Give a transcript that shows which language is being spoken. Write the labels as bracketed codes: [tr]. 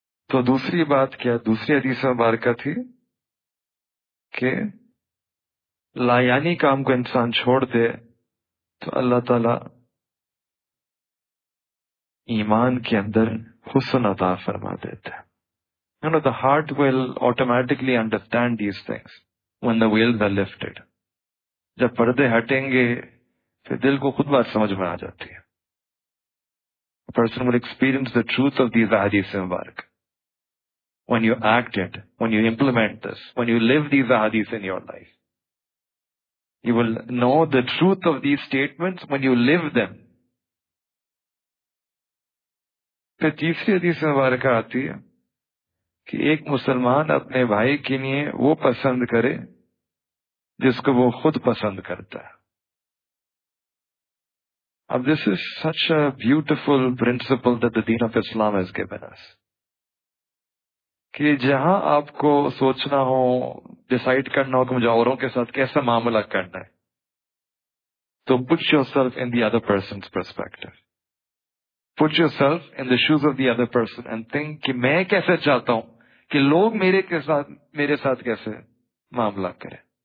[ur] تو دوسری بات کیا، دوسری حدیث مبارکہ تھی کہ لا یعنی کام کو انسان چھوڑ دے تو اللہ تعالی ایمان کے اندر حسن عطا فرما دیتے ہیں. [en] You know the heart will automatically understand these things when the veils are lifted. [ur] جب پردے ہٹیں گے تو دل کو خود بات سمجھ میں آ جاتی ہے. [en] Person will experience the truth of these احادیث مبارک when you act it, when you implement this, when you live these ahadith in your life. You will know the truth of these statements when you live them. [ur] پھر تیسری حدیث مبارکہ آتی ہے کہ ایک مسلمان اپنے بھائی کے لیے وہ پسند کرے جس کو وہ خود پسند کرتا ہے. [en] اب this is such a beautiful principle that the deen of Islam has given us, [ur] کہ جہاں آپ کو سوچنا ہو، ڈیسائیڈ کرنا ہو کہ مجھے اوروں کے ساتھ کیسا معاملہ کرنا ہے، تو [en] put yourself in the other person's perspective, put yourself in the shoes of the other person and think [ur] کہ میں کیسے چاہتا ہوں کہ لوگ میرے ساتھ کیسے معاملہ کریں.